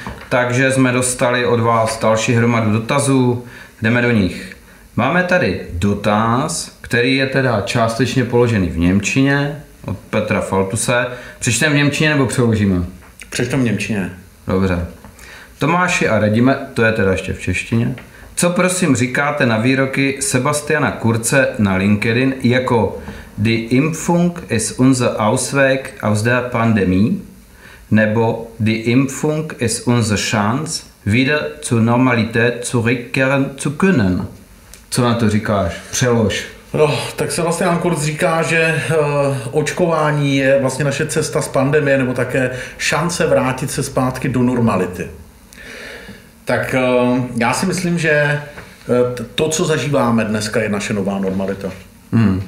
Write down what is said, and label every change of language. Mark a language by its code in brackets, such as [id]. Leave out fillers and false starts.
[cs] Takže jsme dostali od vás další hromadu dotazů. Jdeme do nich. Máme tady dotaz, který je teda částečně položený v němčině od Petra Faltuse. Přečteme v němčině nebo přeložíme? Přečteme v němčině. Dobře. Tomáši a Radime, to je teda ještě v češtině. Co prosím říkáte na výroky Sebastiana Kurze na LinkedIn jako [de] Die Impfung ist unser Ausweg aus der Pandemie [cs] nebo [de] Die Impfung ist unsere Chance wieder zur Normalität zurückkehren zu können? [cs] Co na to říkáš? Přelož. No, tak Sebastian Kurz říká, že očkování je vlastně naše cesta z pandemie, nebo také šance vrátit se zpátky do normality. Tak já si myslím, že to, co zažíváme dneska, je naše nová normalita. Hmm.